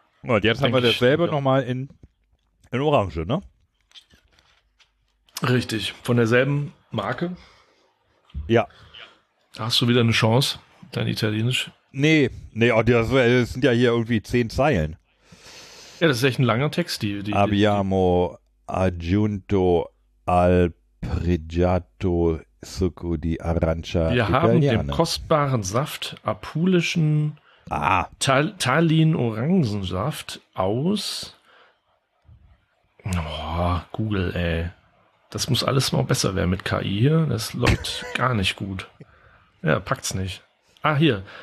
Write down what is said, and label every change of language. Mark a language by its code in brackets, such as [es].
[de] Und jetzt haben wir dasselbe nochmal in Orange, ne? Richtig, von derselben Marke. Ja. Hast du wieder eine Chance, dein Italienisch? Nee, das sind ja hier irgendwie 10 Zeilen. Ja, das ist echt ein langer Text. [it] Abbiamo aggiunto al pregiato succo di arancia italiana. [de] Wir haben dem kostbaren Saft apulischen Tallin-Orangensaft aus. Oh, Google, ey. Das muss alles mal besser werden mit KI hier. Das läuft gar nicht gut. Ja, packt's nicht. Ah, hier.